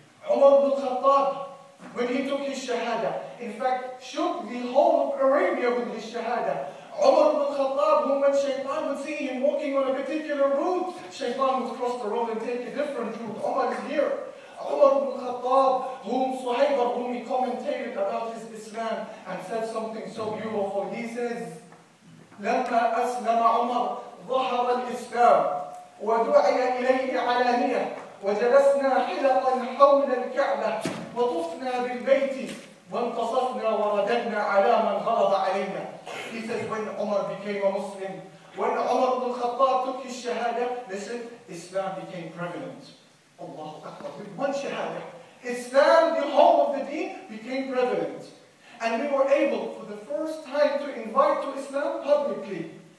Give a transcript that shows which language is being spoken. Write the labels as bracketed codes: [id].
[en] Umar ibn Khattab, when he took his shahada, in fact, shook the whole of Arabia with his shahada. Umar ibn Khattab, whom when Shaytan would see him walking on a particular route, Shaytan would cross the road and take a different route. Umar is here. Umar ibn Khattab, whom Suhaib al-Rumi commentated about his Islam and said something so beautiful. [ar] He says, لَمَّا أَسْلَمَ عُمَرْ ظهر الإسلام ودعي إليه علانية وجلسنا حلقا حول الكعبة وطفنا بالبيت وانتصفنا ورددنا على من غلظ علينا. [en] He says, when Umar became a Muslim, when Umar ibn Khattab took his shahada, listen, Islam became prevalent. Allahu Akbar, with one shahada. Islam, the home of the deen, became prevalent. And we were able, for the first time, to invite to Islam publicly.